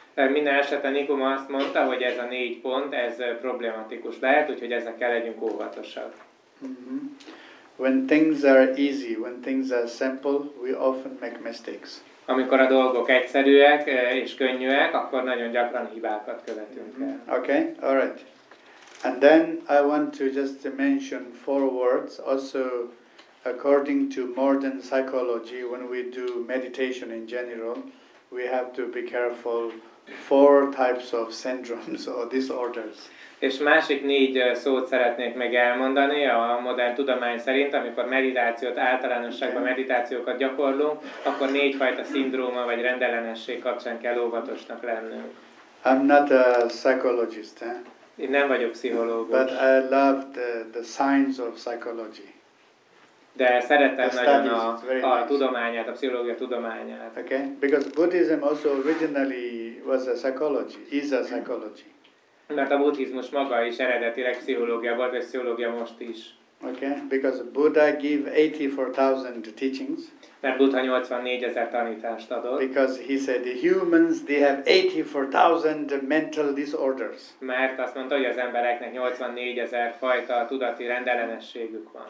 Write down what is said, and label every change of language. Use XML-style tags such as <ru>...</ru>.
<hu>Minden esetre Nikuma azt mondta, hogy ez a négy pont, ez problematikus lehet, úgyhogy ezekkel legyünk óvatosak. Mm-hmm.</hu> <en>When things are easy, when things are simple, we often make mistakes.</en> <hu>Amikor a dolgok egyszerűek és könnyűek, akkor nagyon gyakran hibákat követünk el.</hu> <en>Mm-hmm. Okay, all right. And then I want to just mention four words also. According to modern psychology, when we do meditation in general, we have to be careful four types of syndromes or disorders.</en> <hu>És másik négy szót szeretnék meg elmondani a modern tudomány szerint, amikor meditációt általánosságban meditációkat gyakorlunk, akkor négy fajta szindróma vagy rendellenesség kapcsán kell óvatosnak lennünk.</hu> <en>I'm not a psychologist. Eh?</en> <hu>Én nem vagyok pszichológus.</hu> <en>But I love the signs of psychology.</en> <hu>De szeretem nagyon a tudományát, a pszichológia tudományát.</hu> <en>Okay, because Buddhism also originally was a psychology, is a psychology.</en> <hu>Mert a buddhizmus maga is eredetileg pszichológia volt, és pszichológia most is.</hu> <en>Okay, because Buddha gave 84,000 teachings.</en> <hu>Mert Buddha 84,000 tanítást adott.</hu> <en>Because he said the humans, they have 84,000 mental disorders.</en> <hu>Mert azt mondta, hogy az embereknek 84,000 fajta tudati rendellenességük van.</hu>